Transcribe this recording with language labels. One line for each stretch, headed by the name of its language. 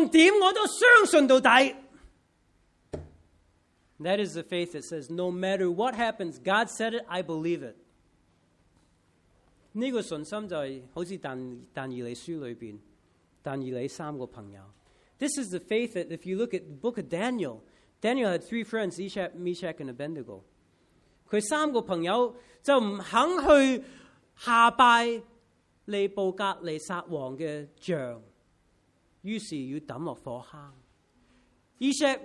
Chinese: 即是说他的信心就是神应许过讲过的说话，无论怎样我都相信到底。
English: That is the faith that says, no matter what happens, God said it, I believe it.
Chinese: 这个信心就是好像但以理书里面，但以理三个朋友。
English: This is the faith that if you look at the book of Daniel, Daniel had three friends, Eshach, Meshach, and Abednego.
Chinese: 他三个朋友就不肯去下拜尼布甲尼撒王的像，于是要扔落火坑。Eshach,